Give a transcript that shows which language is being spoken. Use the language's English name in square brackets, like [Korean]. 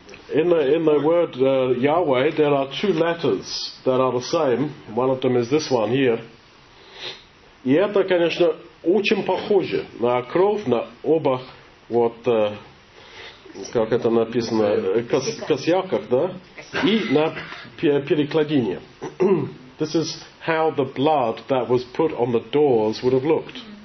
[English] In the word Yahweh, there are two letters that are the same. One of them is this one here. [Russian] И это, конечно, очень похоже на кровь, на оба, как это написано, косяках, да? И на перекладине. [English] This is how the blood that was put on the doors would have looked.